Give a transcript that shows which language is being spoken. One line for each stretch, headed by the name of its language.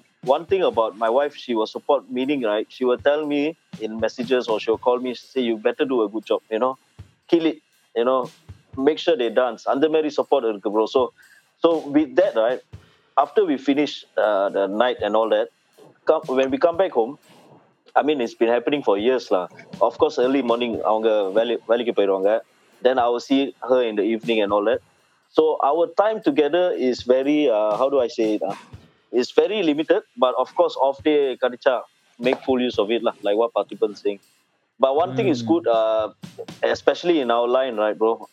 English: One thing about my wife, she was support, meaning right, she would tell me in messages or she would call me, she say you better do a good job, you know, kill it, you know, make sure they dance. And the Mary support
Tamil: irukke
English: bro. So with that, right, after we finish the night and all that, when we come back home, I mean, it's been happening for years lah. Of course, early morning,
Tamil: அவங்க வேலைக்கு போயிடுவாங்க.
English: Then I will see her in the evening and all that. So our time together is very, how do I say it? is very limited, but of course, off day kadicha, make full use of it lah, like what Patipan is saying. But one thing is good, especially in our line, right, bro?